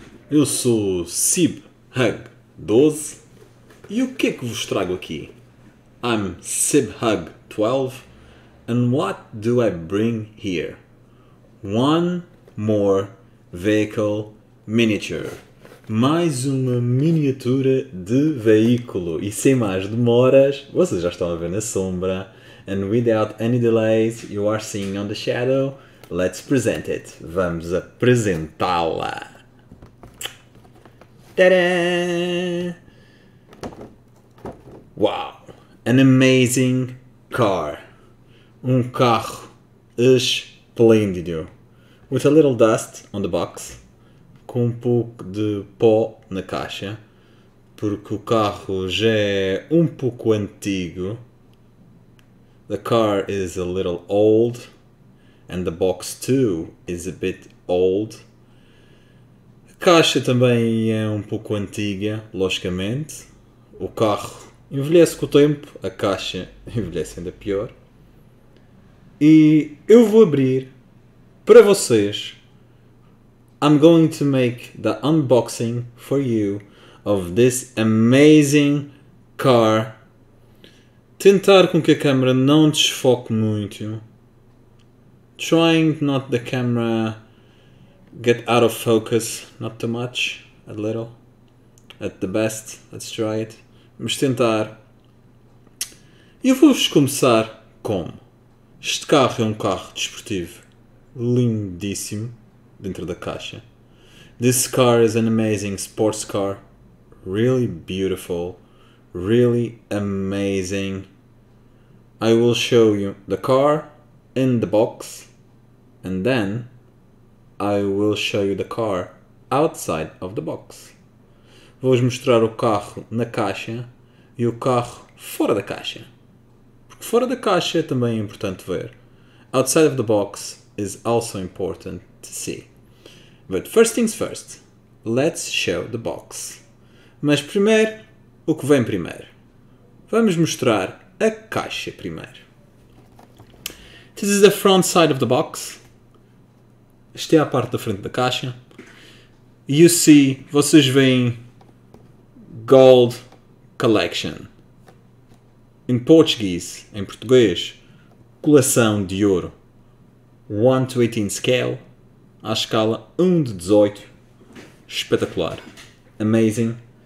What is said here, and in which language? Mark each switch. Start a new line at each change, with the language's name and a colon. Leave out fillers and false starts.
Portuguese: Eu sou SibHug12 e o que é que vos trago aqui?
English: I'm SibHug12 and what do I bring here? One more vehicle miniature.
Portuguese: Mais uma miniatura de veículo e sem mais demoras, vocês já estão a ver na sombra.
English: And without any delays, you are seeing on the shadow, let's present it.
Portuguese: Vamos apresentá-la. Tadã!
English: Wow, an amazing car.
Portuguese: Um carro esplêndido.
English: With a little dust on the box.
Portuguese: Com um pouco de pó na caixa, porque o carro já é um pouco antigo.
English: The car is a little old and the box too is a bit old.
Portuguese: A caixa também é um pouco antiga, logicamente. O carro envelhece com o tempo, a caixa envelhece ainda pior. E eu vou abrir para vocês.
English: I'm going to make the unboxing for you of this amazing car.
Portuguese: Tentar com que a câmera não desfoque muito.
English: Trying not the camera get out of focus, not too much, a little. At the best, let's try it.
Portuguese: Vamos tentar. E vou-vos começar como. Este carro é um carro desportivo lindíssimo. Dentro da caixa.
English: This car is an amazing sports car. Really beautiful. Really amazing. I will show you the car in the box. And then I will show you the car outside of the box.
Portuguese: Vou-vos mostrar o carro na caixa e o carro fora da caixa. Porque fora da caixa também é importante ver.
English: Outside of the box is also important to see. But first things first, let's show the box.
Portuguese: Mas primeiro, o que vem primeiro? Vamos mostrar a caixa primeiro.
English: This is the front side of the box.
Portuguese: Isto é a parte da frente da caixa.
English: You see,
Portuguese: vocês veem
English: Gold Collection. In Portuguese,
Portuguese: em português, coleção de ouro.
English: 1 to 18 scale.
Portuguese: À escala 1 de 18. Espetacular. Amazing.